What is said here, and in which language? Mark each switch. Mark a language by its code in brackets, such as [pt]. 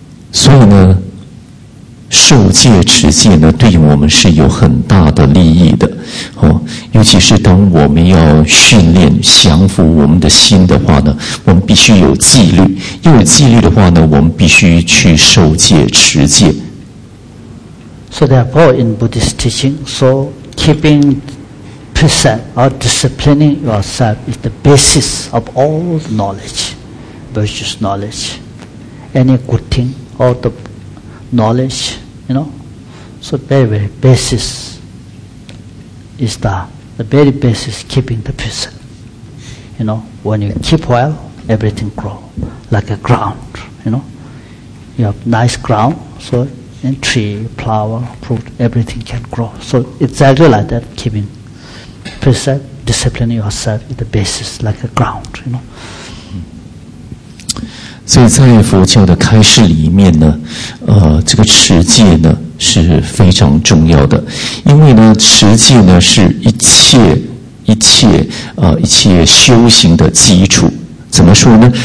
[zh] 所以呢，受戒持戒呢，对我们是有很大的利益的，尤其是当我们要训练降服我们的心的话呢，我们必须有纪律，要有纪律的话呢，我们必须去受戒持戒。 [en] So therefore, in Buddhist teaching, so keeping. Precept or disciplining yourself is the basis of all knowledge, virtuous knowledge, any good thing or the knowledge, you know. So very, very basis is the very basis keeping the precept. You know, when you keep well, everything grow like a ground, you know. You have nice ground, so in tree, flower, fruit, everything can grow. So exactly like that, keepingPrecept, discipline yourself is the basis, like a ground, you know. [zh] 所以在佛教的开示里面呢，这个持戒呢是非常重要的，因为呢，持戒呢是一切修行的基础。怎么说呢？